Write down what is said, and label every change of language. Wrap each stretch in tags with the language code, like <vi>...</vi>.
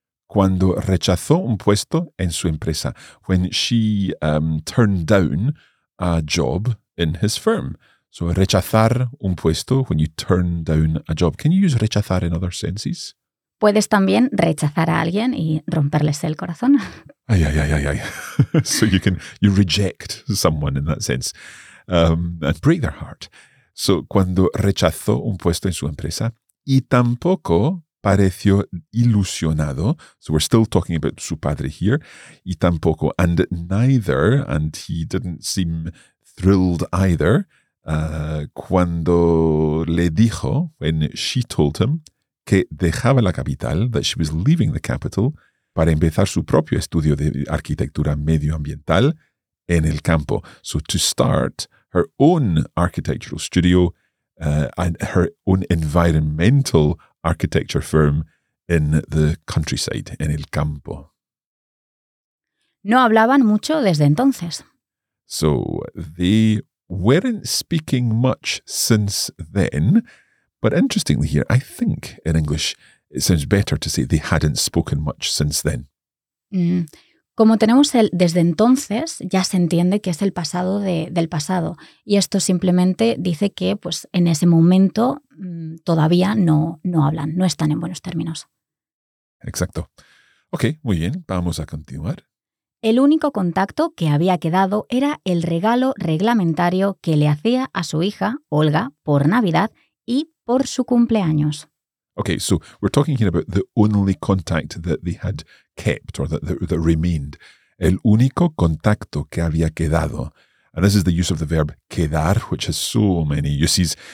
<es>Cuando rechazó un puesto en su empresa,</es> <en>when she turned down a job in his firm. So</en> <es>rechazar un puesto,</es> <en>when you turn down a job. Can you use rechazar in other senses?</en> <es>Puedes también rechazar a alguien y romperles el corazón. Ay, ay, ay, ay, ay.</es> <en>So you reject someone in that sense and break their heart.</en> <es>So cuando rechazó un puesto en su empresa y tampoco pareció ilusionado.</es> <en>So we're still talking about su padre here.</en> <es>Y tampoco,</es> <en>and neither, and he didn't seem thrilled either,</en> <es>cuando le dijo,</es> <en>when she told him,</en> <es>que dejaba la capital,</es> <en>that she was leaving the capital,</en> <es>para empezar su propio estudio de arquitectura medioambiental en el campo.</es> <en>So to start her own architectural studio and her own environmental architecture firm in the countryside,</en> <es>en el campo. No hablaban mucho desde entonces.</es> <en>So they weren't speaking much since then. But interestingly here, I think in English it sounds better to say they hadn't spoken much since then. Mm.</en> <es>Como tenemos el desde entonces, ya se entiende que es el pasado del pasado. Y esto simplemente dice que pues, en ese momento todavía no hablan, no están en buenos términos. Exacto. Ok, muy bien, vamos a continuar. El único contacto que había quedado era el regalo reglamentario que le hacía a su hija, Olga, por Navidad y por su cumpleaños.</es> <en>Okay, so we're talking here about the only contact that they had kept or that remained.</en> <es>El único contacto que había quedado.</es> <en>And this is the use of the verb quedar, which has so many uses.</en>